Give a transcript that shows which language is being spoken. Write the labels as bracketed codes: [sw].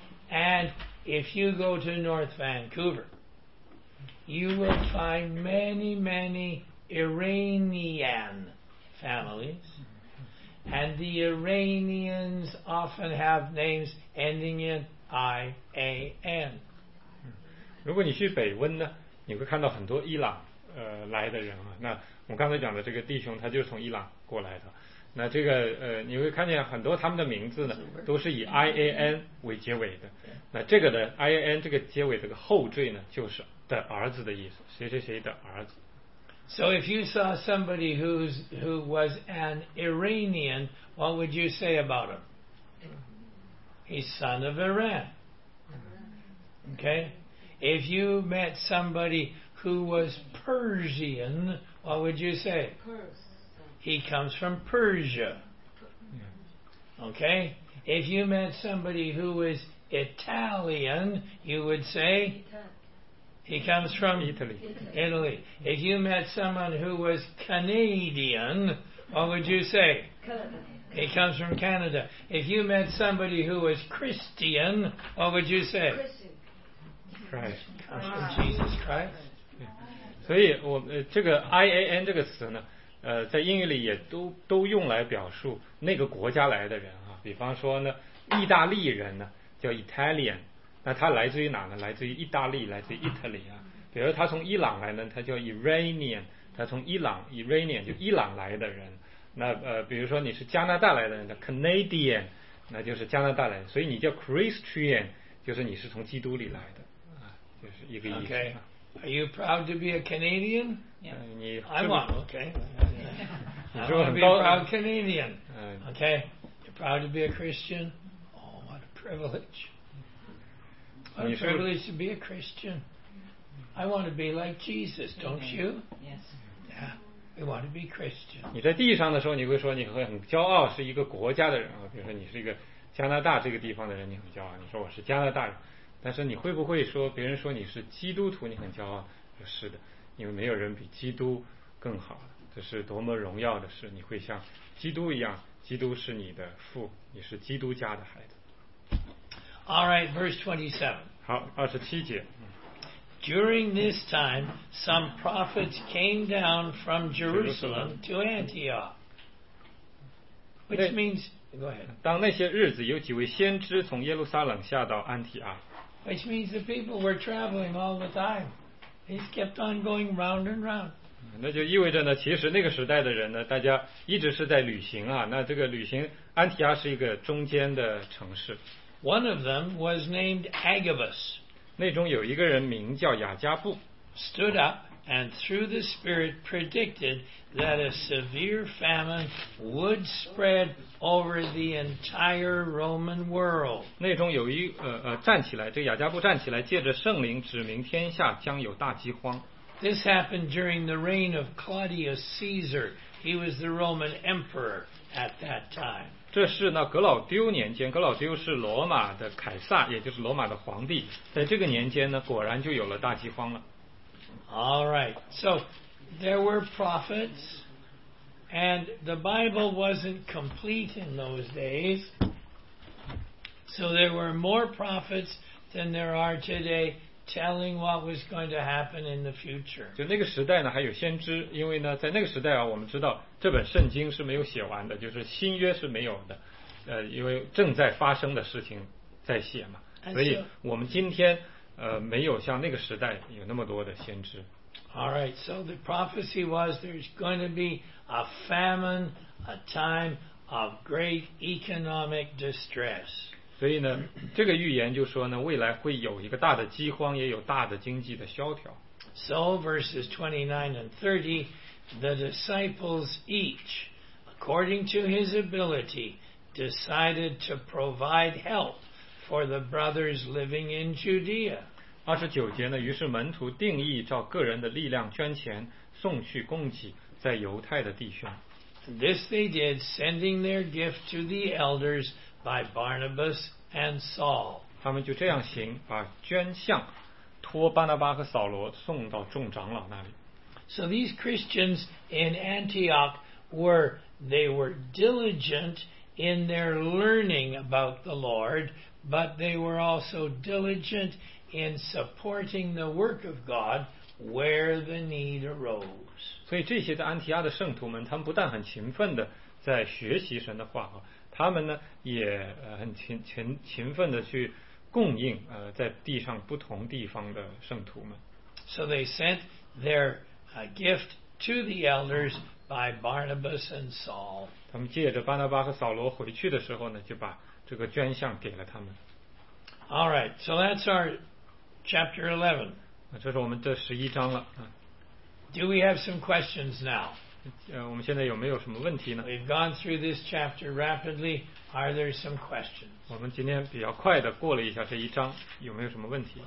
[en] And if you go to North Vancouver, you will find many, many Iranian families. And the Iranians often have names ending in I-A-N. [zh] 如果你去北温呢，你会看到很多伊朗来的人啊。那我刚才讲的这个弟兄，他就是从伊朗过来的。那这个你会看见很多他们的名字呢，都是以 I-A-N 为结尾的。那这个的 I-A-N 这个结尾这个后缀呢，就是的儿子的意思，谁谁谁的儿子。 [en] So if you saw somebody who was an Iranian, what would you say about him? He's son of Iran. Okay? If you met somebody who was Persian, what would you say? He comes from Persia. Okay? If you met somebody who was Italian, you would say? He comes from Italy. Italy. If you met someone who was Canadian, what would you say? Canada. He comes from Canada. If you met somebody who was Christian, what would you say? Christ. From Jesus Christ. [zh] 所以我这个 IAN 这个词呢在英语里也都用来表述那个国家来的人啊，比方说呢意大利人呢叫 Italian， 那他来自于哪呢？来自于意大利，来自于 Italy 啊。比如他从伊朗来呢，他叫 Iranian， 他从伊朗 Iranian 就伊朗来的人。那比如说你是加拿大来的人叫 Canadian， 那就是加拿大来的。所以你叫 Christian 就是你是从基督里来的，就是一个意思。 [en] OKAre you proud to be a Canadian? Yeah. I'm one, okay. I want to be a proud Canadian. Okay. You're proud to be a Christian? Oh, what a privilege. What a privilege to be a Christian. I want to be like Jesus, don't you? Yes. Yeah. We want to be Christian. [zh] 你在地上的时候你会说你会很骄傲是一个国家的人，比如说你是一个加拿大这个地方的人，你很骄傲，你说我是加拿大人。但是你会不会说别人说你是基督徒你很骄傲？是的，因为没有人比基督更好，这是多么荣耀的事，你会像基督一样，基督是你的父，你是基督家的孩子。 [en] All right, verse 27. [zh] 好，二十七节。 [en] During this time, some prophets came down from Jerusalem to Antioch. Which means, go ahead. [zh] 当那些日子有几位先知从耶路撒冷下到安提阿。 [en] Which means the people were traveling all the time. They just kept on going round and round. [zh] 那就意味着呢，其实那个时代的人呢，大家一直是在旅行啊。那这个旅行，安提阿是一个中间的城市。 [en] One of them was named Agabus. [zh] 那中有一个人名叫雅加布。 [en] Stood up and through the Spirit predicted that a severe famine would spread over the entire Roman world. [zh] 内中有一站起来，这雅加布站起来，借着圣灵指明天下将有大饥荒。 [en] This happened during the reign of Claudius Caesar. He was the Roman emperor at that time. [zh] 这是那格老丢年间，格老丢是罗马的凯撒，也就是罗马的皇帝。在这个年间呢，果然就有了大饥荒了。 [en] All right. So there were prophets, and the Bible wasn't complete in those days. So there were more prophets than there are today, telling what was going to happen in the future. [zh] 就那个时代呢，还有先知，因为呢，在那个时代啊，我们知道这本圣经是没有写完的，就是新约是没有的，因为正在发生的事情在写嘛，所以我们今天。没有像那个时代有那么多的先知。 [en] All right, so the prophecy was there's going to be a famine, a time of great economic distress. [zh] 所以呢，这个预言就说呢，未来会有一个大的饥荒，也有大的经济的萧条。 [en] So verses 29 and 30, the disciples each, according to his ability, decided to provide help for the brothers living in Judea. [zh] 二十九节呢，于是门徒定义照个人的力量捐钱送去供给在犹太的弟兄。 [en] This they did, sending their gift to the elders by Barnabas and Saul. [zh] 他们就这样行，把捐项托巴拿巴和扫罗送到众长老那里。 [en] So these Christians in Antioch were diligent in their learning about the Lord, but they were also diligent. In supporting the work of God where the need arose. [zh] 所以这些在安提阿的圣徒们，他们不但很勤奋的在学习神的话，他们呢也很勤奋的去供应在地上不同地方的圣徒们。 [en] So they sent their gift to the elders by Barnabas and Saul. [zh] 他们借着巴拿巴和扫罗回去的时候呢，就把这个捐项给了他们。 [en] All right, so that's our chapter 11. [zh] 这是我们的十一章了。 [en] Do we have some questions now? [zh] 我们现在有没有什么问题呢？ [en] We've gone through this chapter rapidly. Are there some questions? [zh] 我们今天比较快的过了一下这一章，有没有什么问题？